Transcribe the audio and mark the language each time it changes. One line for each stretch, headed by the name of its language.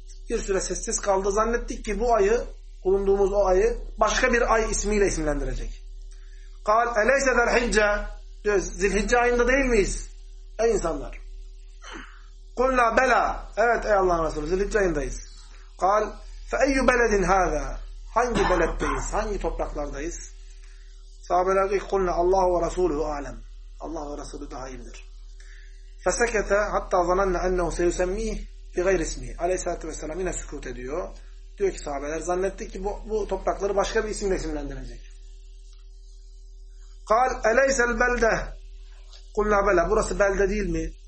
Turkish: Bir süre sessiz kaldı. Zannettik ki bu ayı, bulunduğumuz o ayı başka bir ay ismiyle isimlendirecek.
Arabic: قال اَلَيْسَ ذَلْحِجَّ
Turkish: diyor, Zilhicce ayında değil miyiz? Ey insanlar!
Arabic: قُلْنَا بَلَى
Turkish: Evet ey Allah'ın Resulü, Zilhicce ayındayız.
Arabic: قال فَاَيُّ بَلَدٍ هَذَا
Turkish: Hangi beletteyiz, hangi topraklardayız? Sahabeler diyor ki
Arabic: قُلْنَا اللّٰهُ وَرَسُولُهُ عَلَمْ
Turkish: Allah ve Resulü daha iyidir.
Arabic: Fesekete hatta zannanne ennehu seyusemmih bi gayr ismi.
Turkish: Aleyhissalatü vesselam yine sükut ediyor. Diyor ki sahabeler zannettik ki bu toprakları başka bir isimle isimlendirecek.
Arabic: Kal eleysel belde. Kulna bela.
Turkish: Burası belde değil mi?